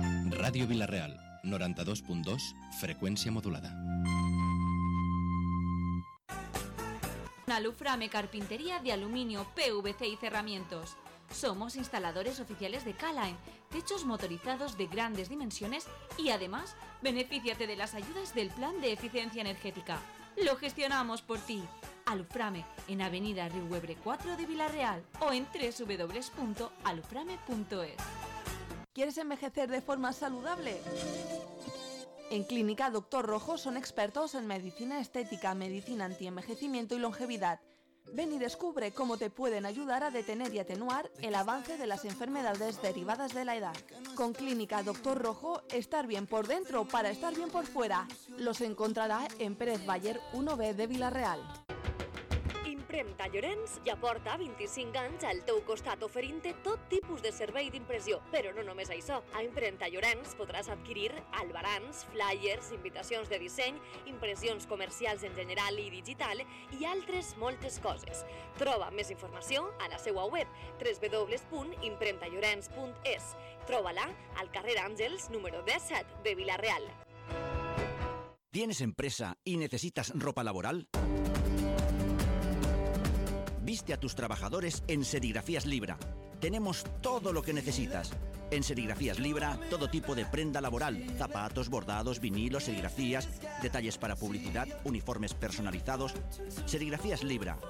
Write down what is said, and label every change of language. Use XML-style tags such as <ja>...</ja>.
<ca>Ràdio Vila-real, 92.2, freqüència modulada.</ca> <es>Naluframe Carpintería de Aluminio, PVC y Cerramientos. Somos instaladores oficiales de Calaen, techos motorizados de grandes dimensiones y además, benefíciate de las ayudas del Plan de Eficiencia Energética. Lo gestionamos por ti. Aluframe, en Avenida Río Huebre 4 de Vila-real o en www.aluframe.es. ¿Quieres envejecer de forma saludable? En Clínica Doctor Rojo son expertos en medicina estética, medicina antienvejecimiento y longevidad. Ven y descubre cómo te pueden ayudar a detener y atenuar el avance de las enfermedades derivadas de la edad. Con Clínica Doctor Rojo, estar bien por dentro para estar bien por fuera. Los encontrará en Pérez Bayer 1B de Vila-real.</es> <ca>Impremta Llorenç ja porta 25 anys al teu costat oferint-te tot tipus de servei d'impressió. Però no només això. A Impremta Llorenç podràs adquirir albarans, flyers, invitacions de disseny, impressions comercials en general i digital i altres moltes coses. Troba més informació a la seva web www.impremtallorenç.es. Troba-la al carrer Àngels número 17 de Vila-real.</ca> <es>¿Tienes empresa y necesitas ropa laboral? Viste a tus trabajadores en Serigrafías Libra. Tenemos todo lo que necesitas. En Serigrafías Libra, todo tipo de prenda laboral. Zapatos, bordados, vinilos, serigrafías, detalles para publicidad, uniformes personalizados. Serigrafías Libra.</es>